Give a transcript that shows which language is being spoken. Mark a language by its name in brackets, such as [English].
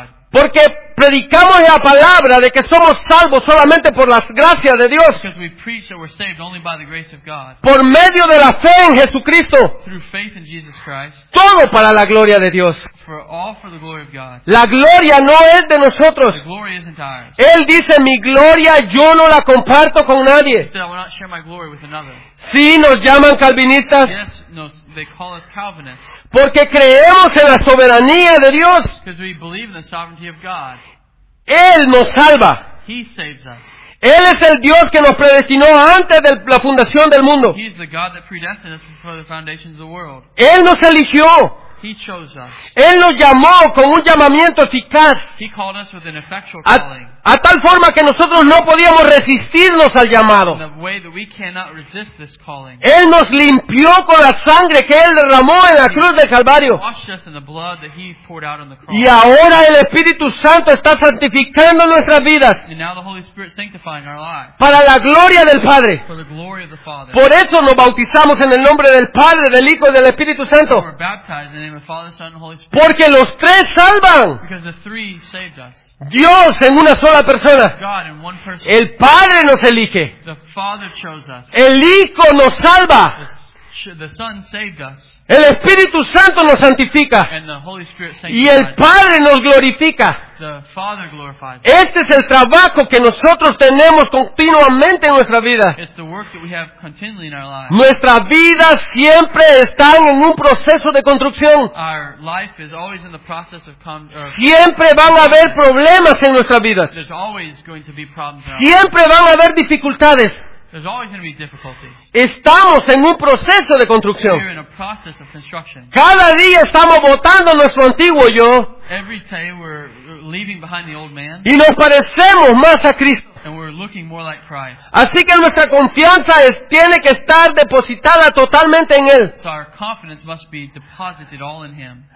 [Spanish] Porque predicamos la palabra de que somos salvos solamente por las gracias de Dios. [English] Because we preach that we're saved only by the grace of God. [Spanish] Por medio de la fe en Jesucristo. [English] Through faith in Jesus Christ. [Spanish] Todo para la gloria de Dios. [English] For all for the glory of God. [Spanish] La gloria no es de nosotros. [English] The glory isn't ours. [Spanish] Él dice, mi gloria yo no la comparto con nadie. [English] He said, I will not share my glory with another. [Spanish] Sí, nos llaman calvinistas. [English] Yes, they call us Calvinists. [Spanish] Porque creemos en la soberanía de Dios. [English] Because we believe in the sovereignty of God. [Spanish] Él nos salva. [English] He saves us. [Spanish] Él es el Dios que nos predestinó antes de la fundación del mundo. [English] He is the God that predestined us before the foundation of the world. [Spanish] Él nos eligió. [English] He chose us. [Spanish] Él nos llamó con un llamamiento eficaz. [English] He called us with an effectual calling. [Spanish] A tal forma que nosotros no podíamos resistirnos al llamado. [English] In the way that we cannot resist this calling. [Spanish] Él nos limpió con la sangre que Él derramó en la cruz del Calvario. [English] He washed us in the blood that He poured out on the cross. [Spanish] Y ahora el Espíritu Santo está santificando nuestras vidas. [English] And now the Holy Spirit sanctifying our lives. [Spanish] Para la gloria del Padre. [English] For the glory of the Father. [Spanish] Por eso nos bautizamos en el nombre del Padre, del Hijo y del Espíritu Santo. [English] We're baptized in the name of Father, Son, and Holy Spirit. [Spanish] Porque los tres salvan. [English] Because the three saved us. [Spanish] Dios en una sola persona. [English] God in one person. [Spanish] El Padre nos elige. [English] The Father chose us. [Spanish] El Hijo nos salva. [English] The the Son saved us. [Spanish] El Espíritu Santo nos santifica. [English] And the Holy Spirit sanctifies. [Spanish] Y el Padre nos glorifica. [English] The Father glorifies. [Spanish] Este es el trabajo que nosotros tenemos continuamente en nuestra vida. [English] It's the work that we have continually in our lives. [Spanish] Nuestra vida siempre está en un proceso de construcción. [English] Our life is always in the process of [Spanish] Siempre van a haber problemas en nuestra vida. [English] There's always going to be problems in our [Spanish] Siempre van a haber dificultades. [English] There's always going to be difficulties. [Spanish] Estamos en un proceso de construcción. [English] We're in a process of construction. [Spanish] Cada día estamos botando nuestro antiguo yo. [English] Every day we're leaving behind the old man. [Spanish] Y nos parecemos más a Cristo. [English] And we're looking more like Christ. [Spanish] Así que nuestra confianza tiene que estar depositada totalmente en Él. [English] So our confidence must be deposited all in Him.